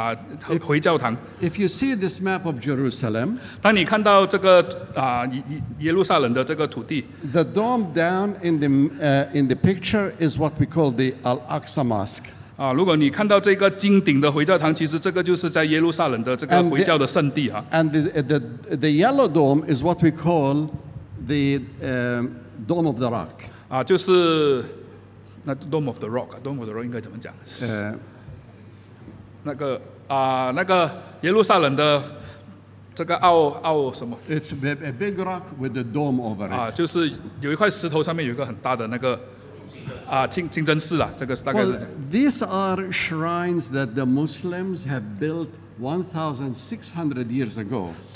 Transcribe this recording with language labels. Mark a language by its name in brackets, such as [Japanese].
[Chinese] 所以关于这一个，就是在耶路撒冷的金顶回教堂。 [English] If you see this map of Jerusalem, [Chinese] 当你看到这个耶路撒冷的这个土地。 [English] The dome down in the picture is what we call the Al-Aqsa Mosque. [Chinese] 如果你看到这个金顶的回教堂，其实这个就是在耶路撒冷的这个回教的圣地啊。 [English] And the yellow dome is what we call the dome of the rock. [Chinese] 就是那 [English] dome of the rock， [Chinese] dome of the rock 应该怎么讲？那个耶路撒冷的这个奥什么 [English] ？It's a big rock with a dome over it. [Chinese] 就是有一块石头上面有一个很大的那个。清真寺啊，这个大概是。 [English] Well, these are shrines that the Muslims have built 1,600 years ago.